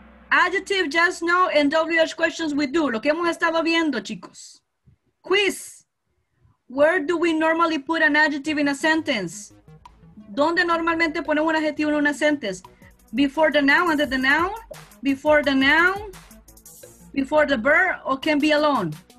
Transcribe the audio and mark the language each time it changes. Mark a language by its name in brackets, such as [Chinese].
[English] Adjective, yes, no, and WH questions we do. [Spanish] Lo que hemos estado viendo, chicos. [English] Quiz. Where do we normally put an adjective in a sentence? [Spanish] ¿Dónde normalmente ponemos un adjetivo en una sentence? [English] Before the noun, under the noun, before the noun, before the verb, or can be alone.